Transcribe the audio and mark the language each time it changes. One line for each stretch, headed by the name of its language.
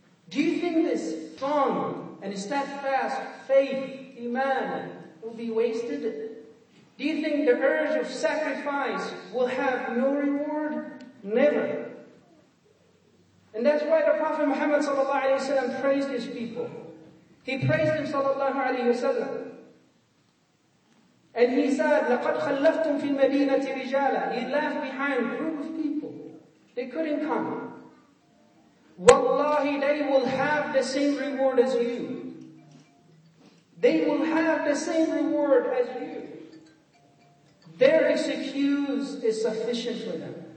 English: Do you think this strong and steadfast faith, iman, will be wasted? Do you think the urge of sacrifice will have no reward? Never. And that's why the Prophet Muhammad sallallahu alayhi wa sallam praised his people. He praised them sallallahu alayhi wa sallam. And he said,
Arabic: لَقَدْ خَلَّفْتُمْ فِي الْمَدِينَةِ رِجَالًا.
English: He left behind a group of people. They couldn't come. وَاللَّهِ they will have the same reward as you. They will have the same reward as you. Their excuse is sufficient for them.